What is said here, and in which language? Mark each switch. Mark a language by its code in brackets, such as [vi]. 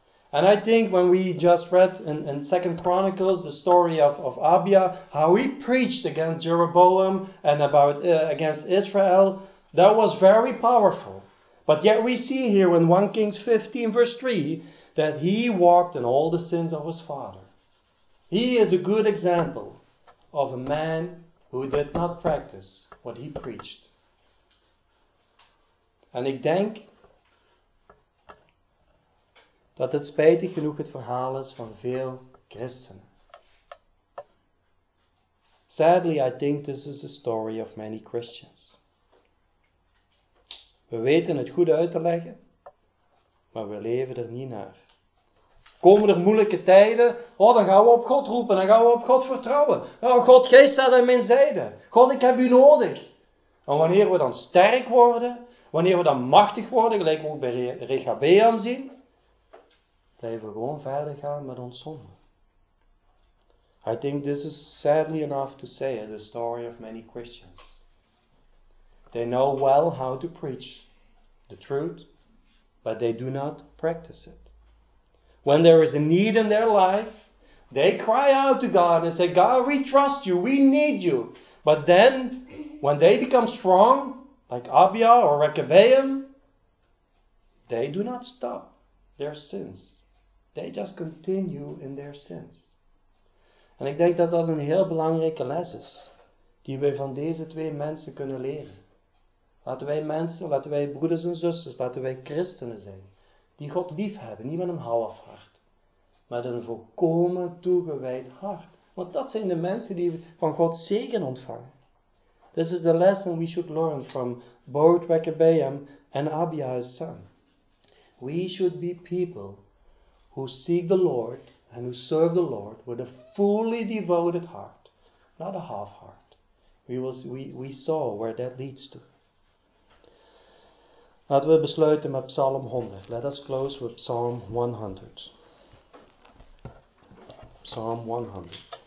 [en] And I think when we just read in 2 Chronicles the story of Abia, how he preached against Jeroboam and against Israel, that was very powerful. But yet we see here in 1 Kings 15 verse 3 that he walked in all the sins of his father. He is a good example of a man who did not practice what he preached. [nl] En ik denk dat het spijtig genoeg het verhaal is van veel christenen. [en] Sadly, I think this is the story of many Christians. [nl] We weten het goed uit te leggen, maar we leven er niet naar. Komen er moeilijke tijden? Oh, dan gaan we op God roepen, dan gaan we op God vertrouwen. Oh, God, jij staat aan mijn zijde. God, ik heb u nodig. En wanneer we dan sterk worden, wanneer we dan machtig worden, gelijk we ook bij Rechabeam zien, blijven we gewoon verder gaan met ons zonde. [en] I think this is sadly enough to say the story of many Christians. They know well how to preach the truth, but they do not practice it. When there is a need in their life, they cry out to God and say, God, we trust you, we need you. But then, when they become strong, like Abia or Rechabeam, they do not stop their sins. They just continue in their sins. [nl] En ik denk dat dat een heel belangrijke les is, die wij van deze twee mensen kunnen leren. Laten wij mensen, laten wij broeders en zusters, laten wij christenen zijn, die God lief hebben, niet met een half hart, met een volkomen toegewijd hart. Want dat zijn de mensen die van God zegen ontvangen. [en] This is the lesson we should learn from both Rechabeam and Abia, his son. We should be people who seek the Lord and who serve the Lord with a fully devoted heart, not a half heart. We saw where that leads to. [nl] Laten we besluiten met Psalm 100. [en] Let us close with Psalm 100. [nl] Psalm 100.